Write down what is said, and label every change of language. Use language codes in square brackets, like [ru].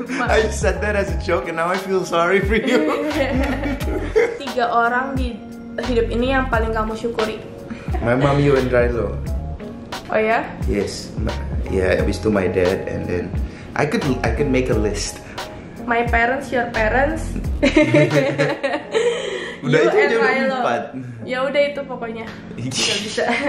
[en] I just said that as a joke and now I feel sorry for you. [id] Tiga orang di hidup ini yang paling kamu syukuri? [en] My mom, you and Rizzo. [id] Oh ya? [en] Yes. [id] Abis itu [en] my dad and then I could make a list. My parents, your parents. [id] Udah you itu and Rilo. Ya udah itu pokoknya. Gak bisa.